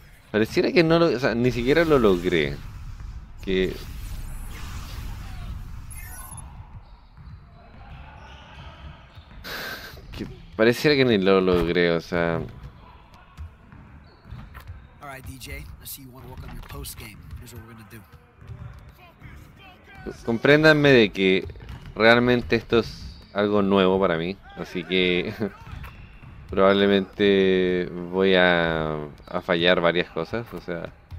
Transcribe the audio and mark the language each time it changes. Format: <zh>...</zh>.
<es>Pareciera que no lo, o sea, ni siquiera lo logré. Que pareciera que ni lo logré, o sea.</es> <en>All right, DJ, I see you want to work on your post game. Here's what we're going to do.</en> <es>Compréndanme de que realmente esto es algo nuevo para mí, así que probablemente voy a fallar varias cosas, o sea.</es>